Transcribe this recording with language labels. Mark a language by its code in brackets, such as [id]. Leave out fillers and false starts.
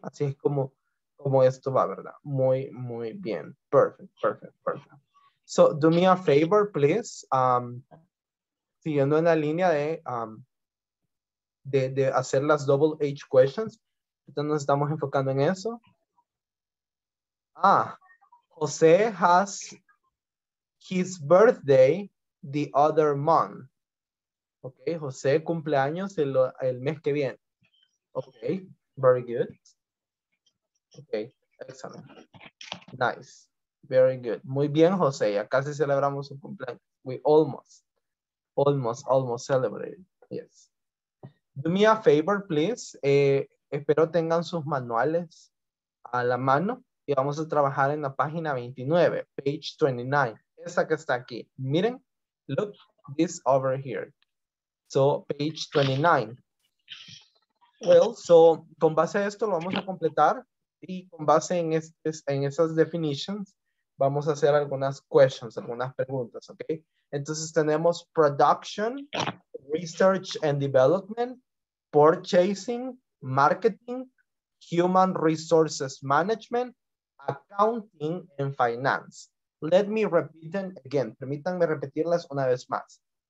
[es] Así es como esto va, ¿verdad? Muy, muy bien. [en] Perfect. So, do me a favor, please. [es] Siguiendo en la línea de hacer las double H questions. Entonces nos estamos enfocando en eso. [en] Ah, José has his birthday the other month. [es] Ok, José cumple años el mes que viene. [en] Ok, very good. Ok, excellent. Nice, very good. [es] Muy bien, José, ya casi celebramos su cumpleaños. [en] We almost celebrated, yes. Do me a favor, please. [es] Espero tengan sus manuales a la mano y vamos a trabajar en la página 29, page 29, esa que está aquí. Miren, [en] look this over here. So, page 29. Well, so, [es] con base a esto lo vamos a completar y con base en esas definitions vamos a hacer algunas questions, algunas preguntas, ¿ok? Entonces tenemos [en] production, research and development, purchasing, marketing, human resources management, accounting, and finance. Let me repeat them again. [es] Permítanme repetirlas una vez más.